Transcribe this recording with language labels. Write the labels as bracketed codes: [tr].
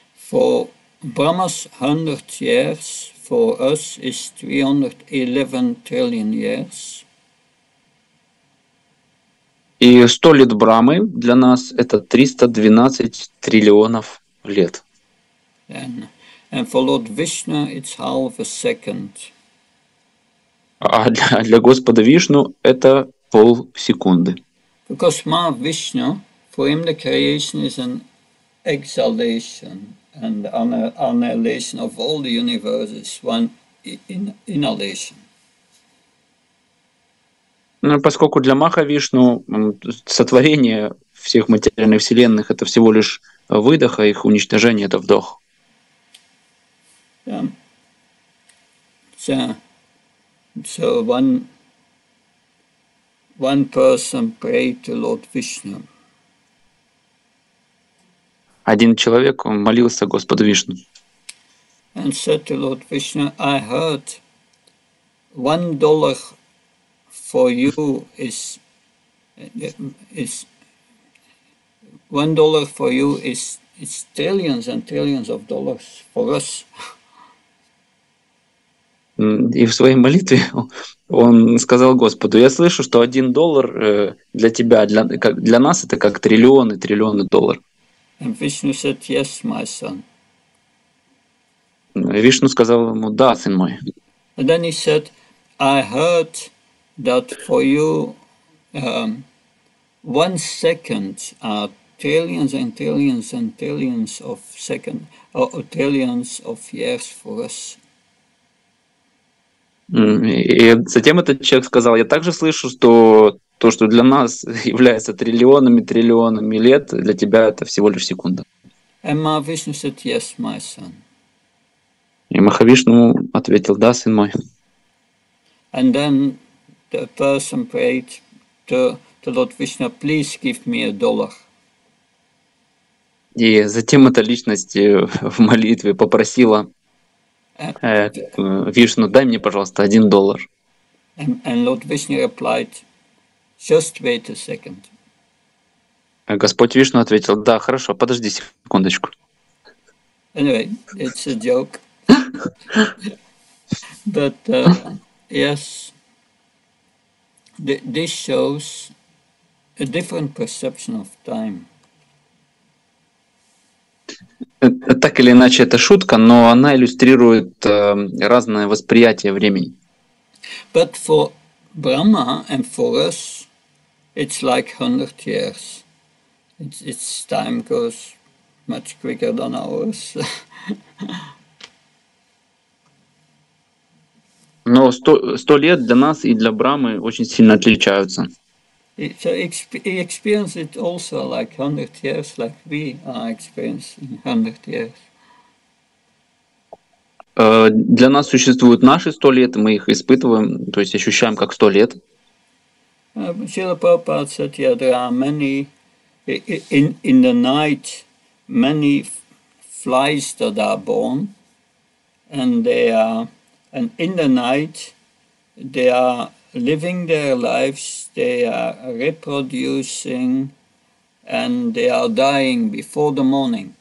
[en] For Brahma's 100 years for us is 311 trillion years. [ru] И 100 лет Брамы для нас это 312 триллионов лет. [en] And for Lord Vishnu it's half a second. [ru] А для Господа Вишну это полсекунды. [en] Because Mahavishnu, for him the creation is an exhalation. And annihilation of all the universe is one inhalation. [ru] Ну, поскольку для Махавишну сотворение всех материальных вселенных это всего лишь выдох, а их уничтожение это вдох. [en] So one person pray to Lord Vishnu. [ru] Один человек он молился Господу Вишну. [en] And said to Lord Vishnu, I heard $1 for you is $1 for you is trillions and trillions of dollars for us. [ru] И в своей молитве он сказал Господу, я слышу, что $1 для тебя, для нас это как триллионы долларов. [en] And Vishnu said, yes, my son. [ru] Вишну сказал ему: «Да, сын мой». [en] And then he said, I heard that for you one second are trillions and trillions and trillions of second or trillions of years for us. [ru] И затем этот человек сказал: я также слышу, что то, что для нас является триллионами, триллионами лет, для тебя это всего лишь секунда. [en] And Mahavishnu said, yes, my son. [ru] И Махавишну ответил: да, сын мой. [en] And then the person prayed to Lord Vishnu, please give me a dollar. [ru] И затем эта личность в молитве попросила Вишну: дай мне, пожалуйста, один доллар. [en] And Lord Vishnu replied, just wait a second. [ru] Господь Вишну ответил: да, хорошо, подожди секундочку. [en] Anyway, it's a joke. But yes, this shows a different perception of time. [ru] Так или иначе, это шутка, но она иллюстрирует разное восприятие времени. [en] But for Brahma and for us, it's like 100 years. It's time goes much quicker than ours. [ru] Но 100 лет для нас и для Брамы очень сильно отличаются. [en] So he experienced it also like 100 years, like we are experiencing 100 years. [ru] Для нас существуют наши 100 лет, мы их испытываем, то есть ощущаем как 100 лет. [en] Srila Prabhupada said, yeah, there are many, in the night, many flies that are born, and in the night, they are living their lives, they are reproducing, and they are dying before the morning.